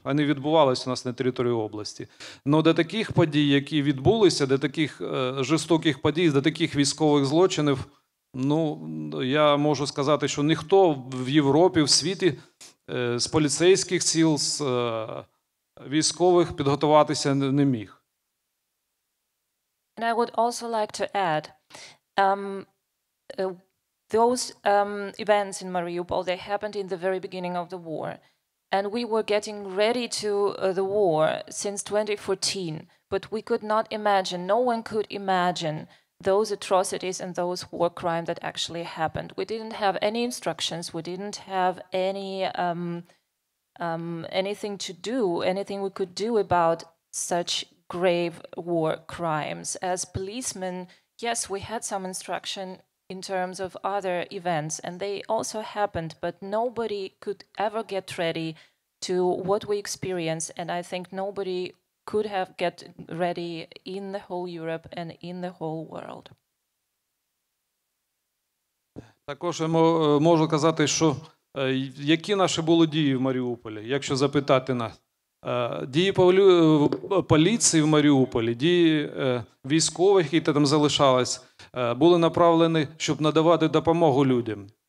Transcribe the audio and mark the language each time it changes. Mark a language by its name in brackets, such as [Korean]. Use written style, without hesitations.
[Ukrainian] Вони відбувалися у нас на території області. Але до таких подій, які відбулися, до таких жорстоких подій, до таких військових злочинів, ну, я можу сказати, що ніхто в Європі, в світі з поліцейських сил, з військових підготуватися не міг. [English] And I would also like to add, those events in Mariupol, they happened in the very beginning of the war. And we were getting ready to the war since 2014, but we could not imagine, no one could imagine those atrocities and those war crimes that actually happened. We didn't have any instructions, we didn't have any anything to do, anything we could do about such grave war crimes. As policemen, yes, we had some instruction in terms of other events, and they also happened, but nobody could ever get ready to what we experienced, and I think nobody could have get ready in the whole Europe and in the whole world. [Ukrainian] Також я можу казати, що які наші були дії в Маріуполі, якщо запитати нас. Дії поліції в Маріуполі, дії військових, які там залишались, були направлені, щоб надавати допомогу людям.